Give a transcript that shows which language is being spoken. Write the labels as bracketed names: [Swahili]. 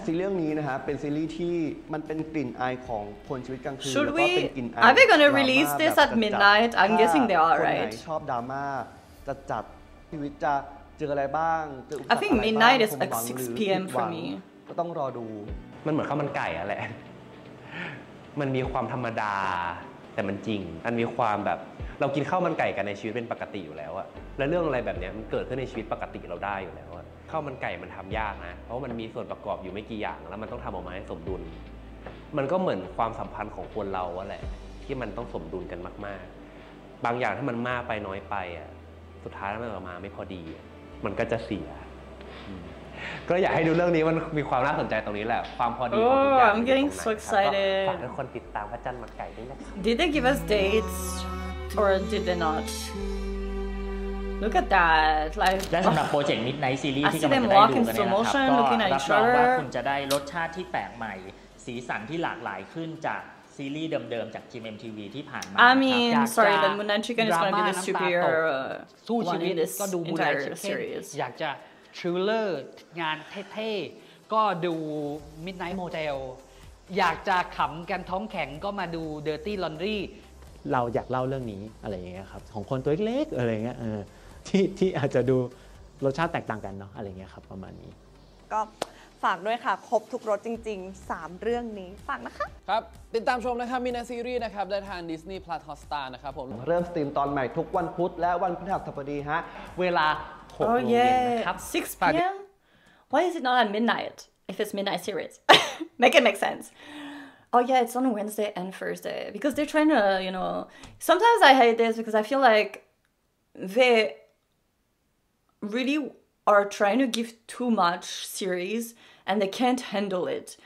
[Thai] ซีรีส์นี้นะฮะเป็นซีรีส์ที่มันเป็นกลิ่นอายของคนชีวิตกลางคื น แล้วก็เป็นกลิ่นอาย [English] Are they gonna release this at midnight? I'm guessing they are right [Thai] คนไหนชอบดราม่าจะจัดชีวิตจะเจออะไรบ้าง [English] I think midnight is like 6 PM for me [Thai] ก็ต้องรอดู มันเหมือนข้าวมันไก่อะแหละมันมีความธรรมดาแต่มันจริงมันมีความแบบเรากินข้าวมันไก่กันในชีวิตเป็นปกติอยู่แล้วอะและเรื่องอะไรแบบนี้มันเกิดขึ้นในชีวิตปกติเราได้อยู่แล้วข้าวมันไก่มันทำยากนะเพราะมันมีส่วนประกอบอยู่ไม่กี่อย่างแล้วมันต้องทำออกมาให้สมดุล มันก็เหมือนความสัมพันธ์ของคนเราอะแหละที่มันต้องสมดุลกันมากๆบางอย่างถ้ามันมากไปน้อยไปอะสุดท้ายมันออกมาไม่พอดีมันก็จะเสียก็อยากให้ดูเรื่องนี้มันมีความน่าสนใจตรงนี้แหละความพอดีของทุกอย่าง [English] โอ้ I'm getting so excited [Thai] ฝากคนติดตามพระจันทร์มันไก่ด้วยนะ [English] Did they give us dates or did they not Look at that like [Thai] และสำหรับโปรเจกต์ Midnight Series ที่กำลัง จะได้ดูกัน ะครับ ก็รับ รองว่ าคุณจะได้รสชาติที่แปลกใหม่สีสันที่หลากหลายขึ้นจากซีรีส์เดิมๆจากทีม MTV ที่ผ่านมา [English] I mean sorry the Moon Knight Chicken is going to be the superior [Thai] สู้ชีวิตก็ดู [English] Moon Knight Series [Thai] อยากจะทริลเลอร์งานเท่ๆก็ดู Midnight Motel อยากจะขำกันท้องแข็งก็มาดู Dirty Laundry เราอยากเล่าเรื่องนี้อะไรอย่างเงี้ยครับของคนตัวเล็กๆอะไรเงี้ยที่อาจจะดูรสชาติแตกต่างกันเนาะอะไรเงี้ยครับประมาณนี้ก็ฝากด้วยค่ะครบทุกรสจริงๆ3เรื่องนี้ฝากนะคะ ครับติดตามชมนะครับ Midnight Series นะครับได้ทาง Disney Plus Hotstar นะครับผม เริ่มสตรีมตอนใหม่ทุกวันพุธและวันพฤหัสบดีฮะเวลา [English] Oh yeah, 6 PM. Why is it not at midnight? If it's midnight series, make it make sense. Oh yeah, it's on Wednesday and Thursday because they're trying to, you know. Sometimes I hate this because I feel like they really are trying to give too much series and they can't handle it.